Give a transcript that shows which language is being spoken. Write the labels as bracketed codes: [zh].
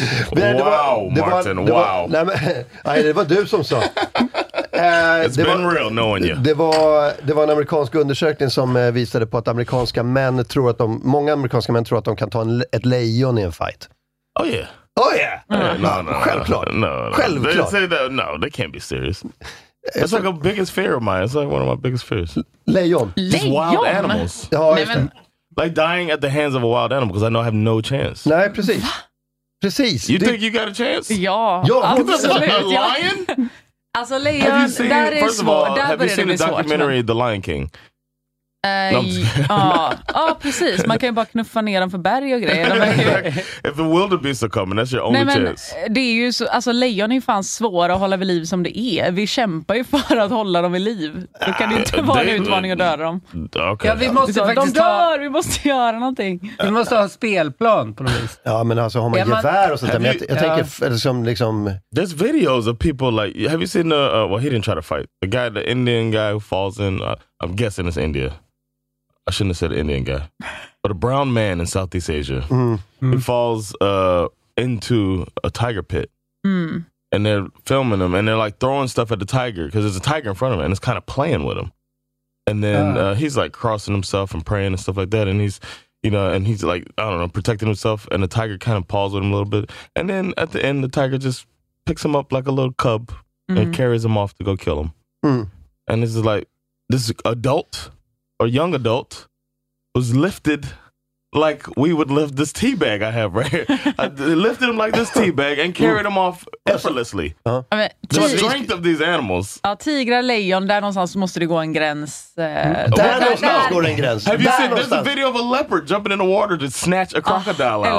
[en] Wow, Martin, wow. [sv] Det var du som sa. [en] It's been real knowing you. [sv] Det var en amerikansk undersökning som visade på att amerikanska män tror att de, många amerikanska män tror att de kan ta ett lejon i en fight. [en] Oh yeah. Oh yeah. No. [sv] Självklart. [en] They say that, no, they can't be serious. That's like a biggest fear of mine. It's like one of my biggest fears. [sv] Lejon. [en] Just wild animals. Like dying at the hands of a wild animal because I know I have no chance. [sv] Nej, precis. Precis. [en] You think you got a chance? [sv] Ja. [en] Absolutely. A lion? [sv] Alltså lejon, där är svårt. [en] Have you seen the documentary The Lion King? [sv] Ja, precis. Man kan ju bara knuffa ner dem för berg och grejer. [en] If the wildebeest are coming, that's your only chance. [sv] Det är ju så, alltså lejon är fan svåra att hålla vid liv som det är. Vi kämpar ju för att hålla dem vid liv. Det kan ju inte vara en utmaning att döda dem. Okay. Ja, vi måste de dör, vi måste göra någonting. Vi måste ha en spelplan på något vis. Ja, men alltså har man gevär och sånt där. Jag tänker som liksom... [en] There's videos of people like... Have you seen well, he didn't try to fight. The guy, the Indian guy who falls in... I'm guessing it's India. I shouldn't have said Indian guy. But a brown man in Southeast Asia. Mm. He falls into a tiger pit. Mm. And they're filming him. And they're like throwing stuff at the tiger. Because there's a tiger in front of him. And it's kind of playing with him. And then he's like crossing himself and praying and stuff like that. And he's, you know, and he's like, I don't know, protecting himself. And the tiger kind of paws with him a little bit. And then at the end, the tiger just picks him up like a little cub. Mm. And carries him off to go kill him. Mm. And this is like... This adult or young adult was lifted like we would lift this tea bag I have right here. I lifted him like this tea bag and carried him off effortlessly. Uh-huh. The strength of these animals. [sv] Ja, tigrar, lejon, där någonstans måste det gå en gräns. [en] Have you seen, there's a video of a leopard jumping in the water to snatch a crocodile out.